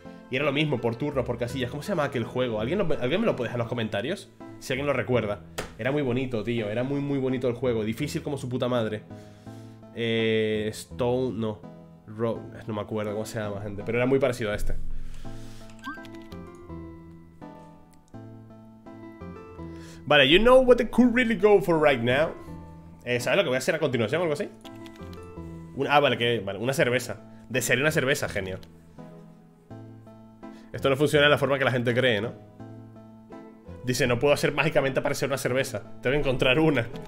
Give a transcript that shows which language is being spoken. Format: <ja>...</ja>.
<es>Y era lo mismo, por turnos, por casillas. ¿Cómo se llamaba aquel juego? ¿Alguien me lo puede dejar en los comentarios? Si alguien lo recuerda. Era muy bonito, tío, era muy muy bonito el juego. Difícil como su puta madre. Stone, no Rock, no me acuerdo cómo se llama, gente. Pero era muy parecido a este.</es> <en>Vale, you know what I could really go for right now.</en> <es>¿Sabes lo que voy a hacer a continuación o algo así? Vale, una cerveza. Desearía una cerveza, genio. Esto no funciona de la forma que la gente cree, ¿no? Dice, no puedo hacer mágicamente aparecer una cerveza. Tengo que encontrar una.</es>